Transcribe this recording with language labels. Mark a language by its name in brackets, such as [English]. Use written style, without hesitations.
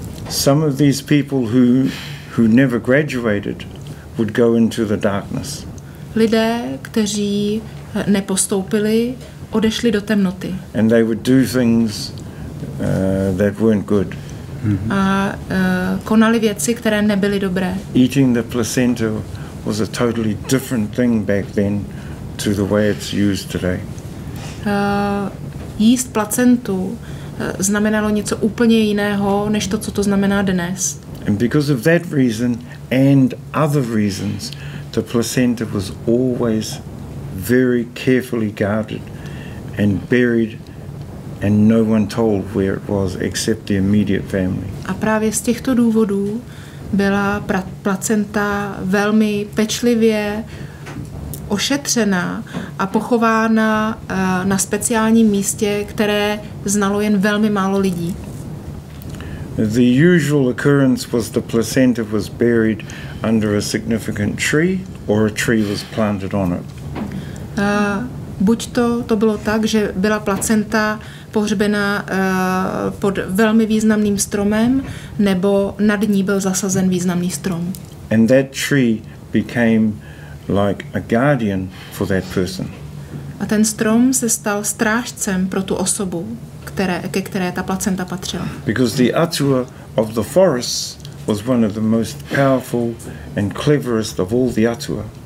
[English] Some of these people who never graduated would go into the darkness. [Czech] Lidé, kteří nepostoupili, odešli do temnoty. [English] And they would do things that weren't good. [Czech] A konali věci, které nebyly dobré. [English] Eating the placenta was a totally different thing back then to the way it's used today. [Czech] Jíst placentu znamenalo něco úplně jiného než to, co to znamená dnes. [English] And because of that reason and other reasons, the placenta was always very carefully guarded and buried. And no one told where it was except the immediate family. [Czech] A právě z těchto důvodů byla placenta velmi pečlivě ošetřena a pochována na speciálním místě, které znalo jen velmi málo lidí. [English] The usual occurrence was the placenta was buried under a significant tree or a tree was planted on it. [Czech] Buď to bylo tak, že byla placenta pohřbená pod velmi významným stromem, nebo nad ní byl zasazen významný strom. [English] And that tree became like a guardian for that person. [Czech] A ten strom se stal strážcem pro tu osobu, ke které ta placenta patřila. [English] Because the Atua of the forest was one of the most powerful and cleverest of all the Atua.